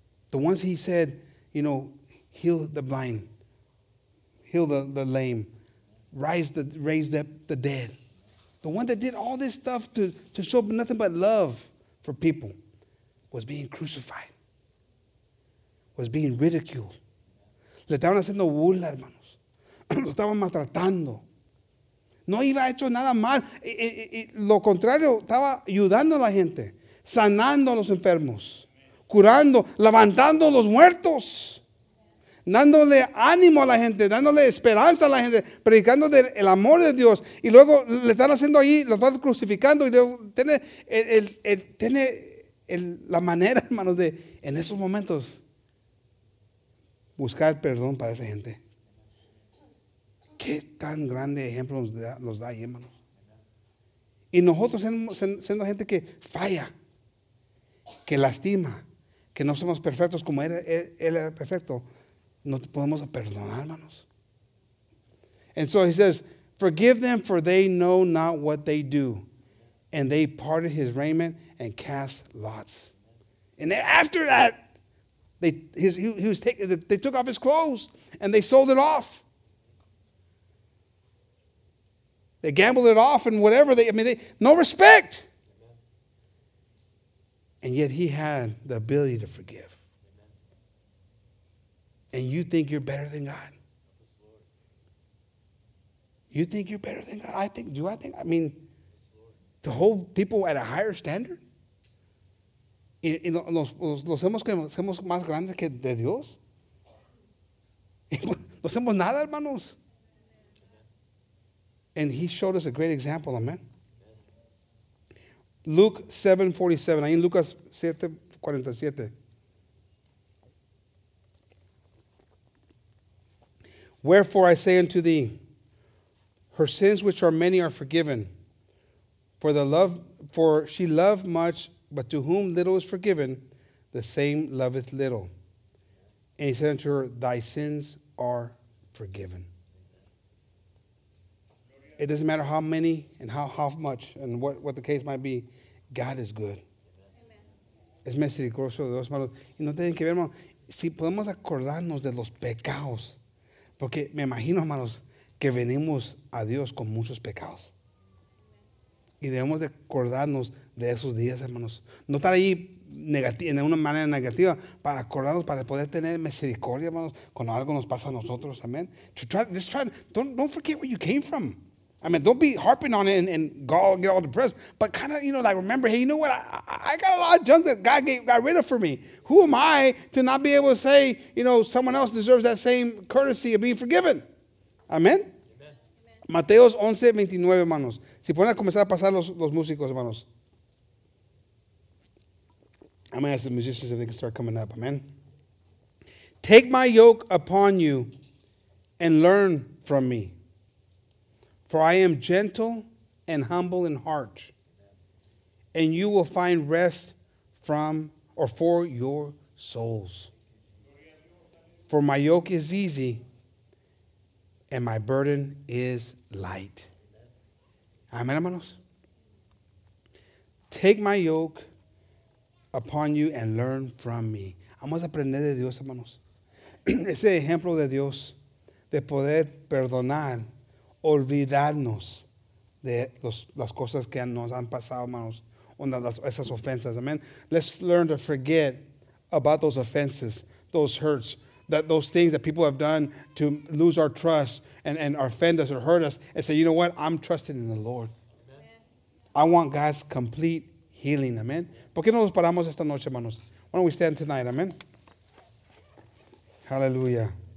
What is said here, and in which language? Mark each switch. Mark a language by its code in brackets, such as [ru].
[en] The ones he said, you know, heal the blind, heal the lame, raise the dead. The one that did all this stuff to show nothing but love for people was being crucified, was being ridiculed. [es] Le estaban haciendo burla, hermanos. Lo estaban maltratando. No iba a hecho nada mal. Lo contrario, estaba ayudando a la gente. sanando a los enfermos, curando, levantando a los muertos, dándole ánimo a la gente, dándole esperanza a la gente, predicando el amor de Dios. Y luego le están haciendo ahí, lo están crucificando. Y luego tiene, la manera, hermanos, de en esos momentos buscar perdón para esa gente. Qué tan grande ejemplo los da ahí, hermanos. Y nosotros siendo gente que falla, que lastima, que no somos perfectos como él era perfecto, no te podemos perdonar, hermanos. [en] And so he says, forgive them, for they know not what they do. And they parted his raiment and cast lots. And after that, they took off his clothes and they sold it off. They gambled it off and whatever. No respect. And yet he had the ability to forgive. And you think you're better than God? You think you're better than God? I mean, to hold people at a higher standard? [es] ¿Y los hacemos más grandes que de Dios? ¿No hacemos nada, hermanos? [en] And he showed us a great example, amen. Luke 7:47. [es] Ahí en Lucas 7:47. [en] Wherefore I say unto thee, her sins which are many are forgiven, for she loved much, but to whom little is forgiven, the same loveth little. And he said unto her, thy sins are forgiven. It doesn't matter how many and how much and what the case might be, God is good. [es] Es misericordioso de Dios, hermanos. Y no tienen que ver, hermanos, si podemos acordarnos de los pecados. Porque me imagino, hermanos, que venimos a Dios con muchos pecados. Y debemos de acordarnos de esos días, hermanos. No estar ahí en una manera negativa para acordarnos, para poder tener misericordia, hermanos, cuando algo nos pasa a nosotros, amén. [en] Don't forget where you came from. I mean, don't be harping on it and go get all depressed. But kind of, you know, like remember, hey, you know what? I got a lot of junk that God got rid of for me. Who am I to not be able to say, you know, someone else deserves that same courtesy of being forgiven? [es] Amen? Amen. Mateo 11:29, hermanos. Si pueden comenzar a pasar los músicos, hermanos. [en] I'm going to ask the musicians if they can start coming up. Amen. Take my yoke upon you and learn from me. For I am gentle and humble in heart, and you will find rest for your souls. For my yoke is easy, and my burden is light. Amen, hermanos. Take my yoke upon you and learn from me. [es] Vamos a aprender de Dios, hermanos. Ese ejemplo de Dios, de poder perdonar, olvidarnos de las cosas que nos han pasado, hermanos, esas ofensas. [en] Amen. Let's learn to forget about those offenses, those hurts, those things that people have done to lose our trust and offend us or hurt us, and say, you know what? I'm trusting in the Lord. Amen. I want God's complete healing. Amen. [es] ¿Por qué no nos paramos esta noche, hermanos? [en] Why don't we stand tonight? Amen. Hallelujah.